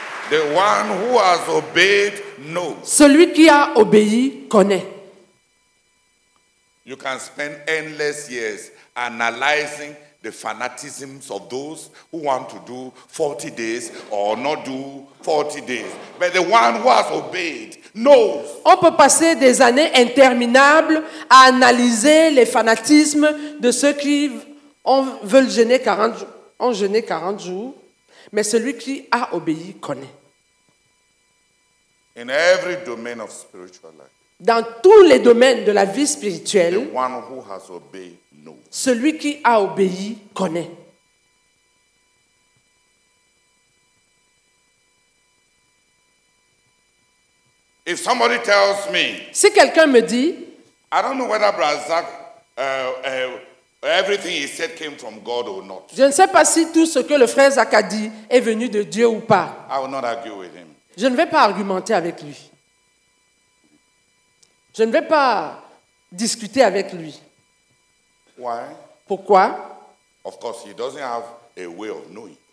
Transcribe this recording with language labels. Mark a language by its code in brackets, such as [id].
[en] The one who has obeyed knows. [fr] Celui qui a obéi connaît. [en] You can spend endless years analyzing the fanatisms of those who want to do 40 days or not do 40 days. But the one who has obeyed knows. [fr] On peut passer des années interminables à analyser les fanatismes de ceux qui veulent jeûner 40 jours, ont jeûné 40 jours, mais celui qui a obéi connaît. [en] In every domain of spiritual life. [fr] Dans tous les domaines de la vie spirituelle, [en] the one who has obeyed knows. [fr] Celui qui a obéi connaît. [en] If somebody tells me, [fr] si quelqu'un me dit, [en] I don't know whether Brother Zach, everything he said came from God or not. [fr] Je ne sais pas si tout ce que le frère Zach a dit est venu de Dieu ou pas. [en] I will not argue with him. [fr] Je ne vais pas argumenter avec lui. Je ne vais pas discuter avec lui. [en] Why? [fr] Pourquoi? [en] Of course, he doesn't have a way of knowing.